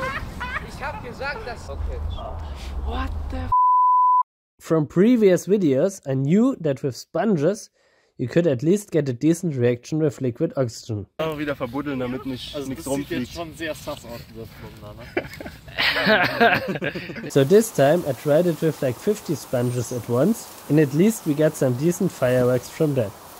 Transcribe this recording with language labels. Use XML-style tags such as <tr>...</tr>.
<en>What the f***? From previous videos, I knew that with sponges you could at least get a decent reaction with liquid oxygen.</en> <de>Oh, wieder verbuddeln, damit nicht also nichts rumfliegt. Das sieht jetzt schon sehr sass aus, dieses Blumen, ne?</de> <en>So this time I tried it with like 50 sponges at once, and at least we got some decent fireworks from that.</en>